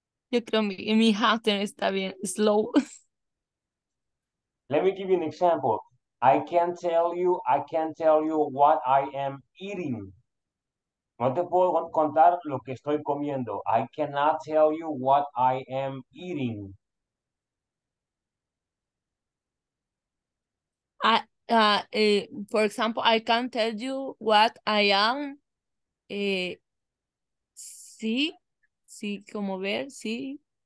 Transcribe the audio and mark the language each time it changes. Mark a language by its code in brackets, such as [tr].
[es] Yo creo que mi Hunter está bien slow. [en] Let me give you an example. I can't tell you what I am eating. [es] No te puedo contar lo que estoy comiendo. [en] I cannot tell you what I am eating. For example, I can't tell you what I am. [es] Sí, como ver, sí.